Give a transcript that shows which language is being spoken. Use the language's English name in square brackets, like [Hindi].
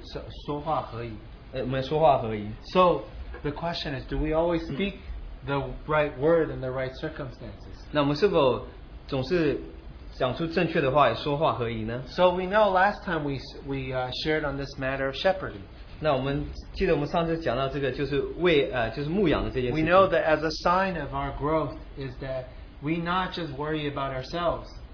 [Chinese] 所以我们就知道这个金苹果还有这个银网就是我们所说的话，说话合宜。 [English] So the question is, do we always speak the right word in the right circumstances? [Chinese] 那我们是否总是 讲出正确的话，说话合宜呢？ [English] So we know last time we shared on this matter of shepherding. [Chinese] 那我们记得我们上次讲到这个就是牧养的这件事情。 [English] We know that as a sign of our growth is that we not just worry about ourselves.